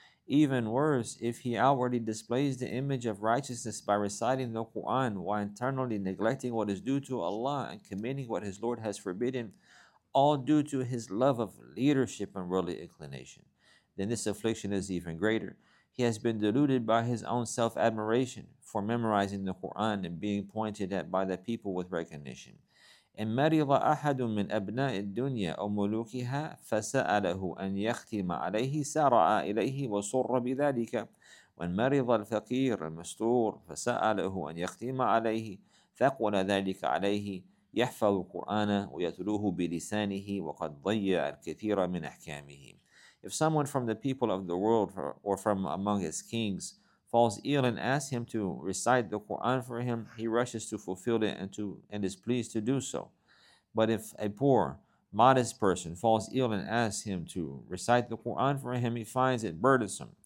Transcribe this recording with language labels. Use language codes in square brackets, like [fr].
[en] Even worse, if he outwardly displays the image of righteousness by reciting the Quran while internally neglecting what is due to Allah and committing what his Lord has forbidden, all due to his love of leadership and worldly inclination, then this affliction is even greater. He has been deluded by his own self-admiration for memorizing the Quran and being pointed at by the people with recognition. [ar] إن مرض أحد من أبناء الدنيا أو ملوكها فسأله أن يختم عليه سارع إليه وسر بذلك وإن مرض الفقير المستور فسأله أن يختم عليه ثقل ذلك عليه يحفظ القرآن ويتلوه بلسانه وقد ضيع الكثير من أحكامه. [en] If someone from the people of the world or from among his kings falls ill and asks him to recite the Quran for him, he rushes to fulfill it and is pleased to do so. But if a poor, modest person falls ill and asks him to recite the Quran for him, he finds it burdensome.